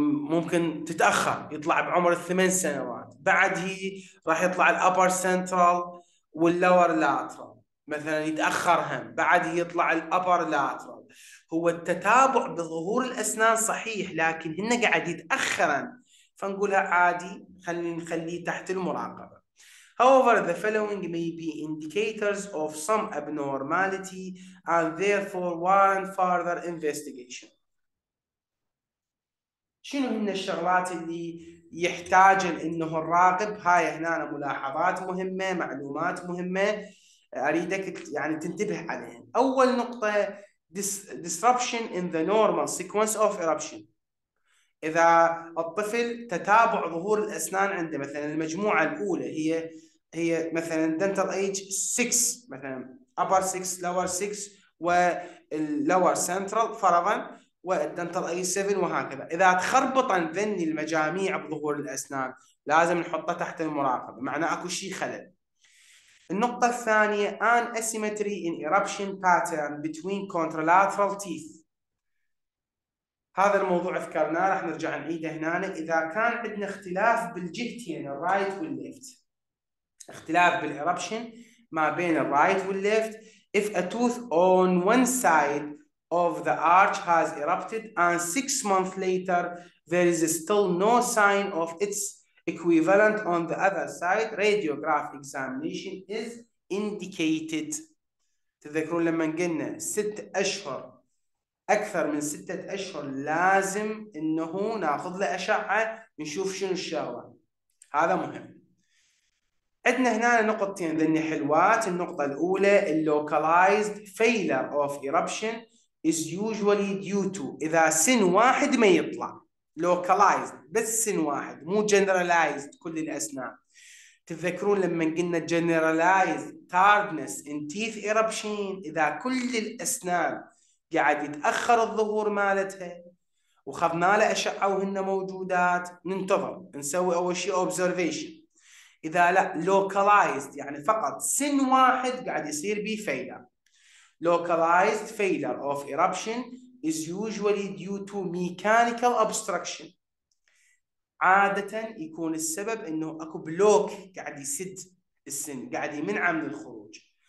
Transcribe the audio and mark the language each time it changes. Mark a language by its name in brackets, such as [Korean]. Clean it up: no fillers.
[Arabic] ممكن تتاخر يطلع بعمر ال8 سنوات، بعد هي راح يطلع الابر سنترال واللور لاترال مثلا يتاخر هم، بعد هي يطلع الابر لاترال. هو التتابع بظهور الاسنان صحيح، لكن هن قاعد يتاخرن، فنقولها عادي خلي نخليه تحت المراقبه. [English] However, the following may be indicators of some abnormality and therefore warrant further investigation. [Arabic] شنو هن الشغلات اللي يحتاج انه الراقب؟ هاي هنا أنا ملاحظات مهمه، معلومات مهمه اريدك يعني تنتبه عليهم. اول نقطه [English] disruption in the normal sequence of eruption. [Arabic] إذا الطفل تتابع ظهور الأسنان عنده مثلا المجموعة الأولى هي مثلا [English] dental age 6 [Arabic] مثلا [English] upper 6 lower 6 [Arabic] واللور سنترال فرضا والدنتال age 7 وهكذا، إذا تخربط ذني المجاميع بظهور الأسنان لازم نحطه تحت المراقبة، معناه أكو شيء خلل. النقطة الثانية [English] an asymmetry in eruption pattern between contralateral teeth. [Arabic] هذا الموضوع ذكرناه، راح نرجع نعيده هنا. إذا كان عندنا اختلاف بالجهتين الرايت والليفت، [English] اختلاف بالإيربشن ما بين الرايت والليفت، if a tooth on one side of the arch has erupted and 6 months later there is still no sign of its equivalent on the other side, radiograph examination is indicated. [Arabic] تذكرون لما قلنا 6 أشهر، أكثر من 6 أشهر لازم إنه ناخذ له أشعة نشوف شنو الشغلة. هذا مهم. عندنا هنا نقطتين ذني حلوات. النقطة الأولى [English] localized failure of eruption is usually due to، [Arabic] إذا سن واحد ما يطلع localized بس سن واحد مو generalized كل الأسنان. تذكرون لما قلنا [English] generalized tardiness in teeth eruption، [Arabic] إذا كل الأسنان قاعد يتأخر الظهور مالتها وخذنا له أشعة وهن موجودات، ننتظر نسوي أول شيء observation. إذا لا localized يعني فقط سن واحد قاعد يصير بيه failure. [English] localized failure of eruption is usually due to mechanical obstruction. [Arabic] عادة يكون السبب انه اكو بلوك قاعد يسد السن، قاعد يمنعه من الخروج.